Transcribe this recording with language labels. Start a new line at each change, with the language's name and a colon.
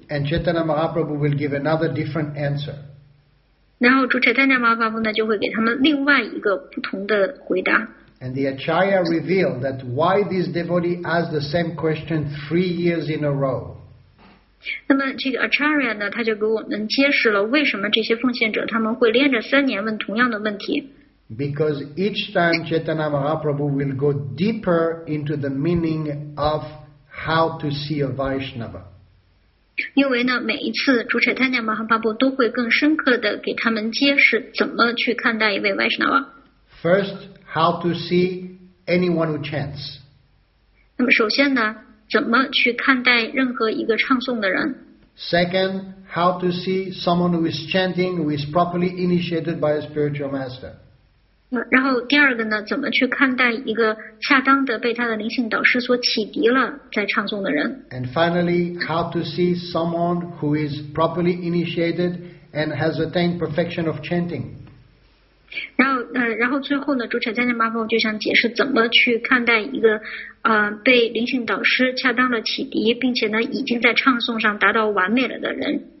English: And Chaitanya Mahaprabhu will give another different answer.
Chinese: 然后主 Chaitanya Mahaprabhu 呢，就会给他们另外一个不同的回答。
English: And the Acharya revealed that why this devotee asked the same question 3 years in a row.
Chinese: 那么这个 Acharya 呢，他就给我们揭示了为什么这些奉献者他们会连着三年问同样的问题。
English: Because each time Chaitanya Mahaprabhu will go deeper into the meaning of how to see a Vaishnava.
Chinese: 因为呢，每一次主 Chaitanya Mahaprabhu 都会更深刻的给他们揭示怎么去看待一位 Vaishnava.
English: First, how to see anyone who chants.
Chinese: 那么首先呢，怎么去看待任何一个唱诵的人？
English: Second, how to see someone who is chanting who is properly initiated by a spiritual master.
Chinese: 然后第二个呢，怎么去看待一个恰当的被他的灵性导师所启迪了在唱诵的人？
English: And finally, how to see someone who is properly initiated and has attained perfection of chanting?
Chinese: 然后最后呢，主 Chaitanya Mahaprabhu 就想解释怎么去看待一个被灵性导师恰当的启迪，并且呢已经在唱诵上达到完美了的人。